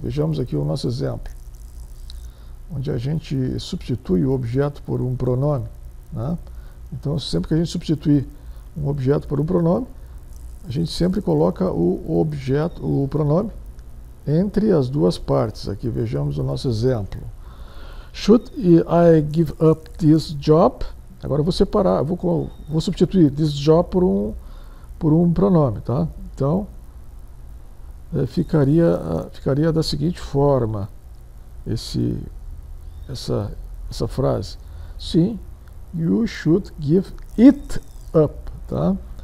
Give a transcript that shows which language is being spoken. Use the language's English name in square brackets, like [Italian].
[Portuguese] Vejamos aqui o nosso exemplo, onde a gente substitui o objeto por um pronome, né? Então, sempre que a gente substituir um objeto por um pronome, a gente sempre coloca o pronome entre as duas partes. Aqui vejamos o nosso exemplo. [English] Should I give up this job? [Portuguese] Agora eu vou separar, vou substituir [English] this job [Portuguese] por um pronome, tá? Então ficaria da seguinte forma essa frase. Sim, [English] you should give it up, [Portuguese] tá?